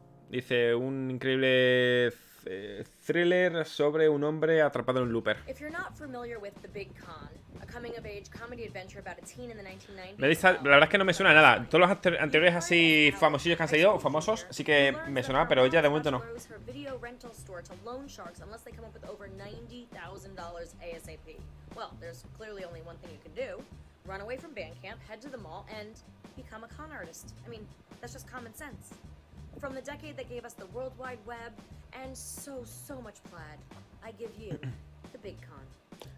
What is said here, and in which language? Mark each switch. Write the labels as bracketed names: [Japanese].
[Spanish] Dice un increíble thriller sobre un hombre atrapado en un looper. [English] If you're not familiar with The Big Con, a coming of age comedy adventure about a teen in the 1990s. [Spanish] La verdad es que no me suena nada. Todos los anteriores así famosillos que han salido, o famosos, sí que me sonaba, pero ella de momento no. [English] Her video rental store to loan sharks unless they come up with over $90,000 ASAP. Well, there's clearly only one thing you can do. Run away from Bandcamp, head to the mall, and become a con artist. I mean, that's just common sense. From the decade that gave us the World Wide Web and so, so much plaid, I give you The Big Con.